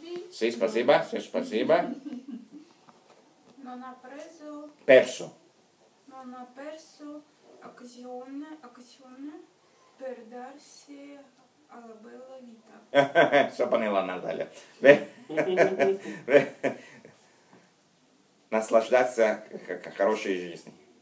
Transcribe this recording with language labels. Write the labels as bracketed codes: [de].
[ru] Sì, спасибо, sì, спасибо. [it] Non ha preso. Perso. Non ha perso occasione per darsi alla bella vita. [ru] Все поняла Наталья. Beh. Наслаждаться хорошей жизнью.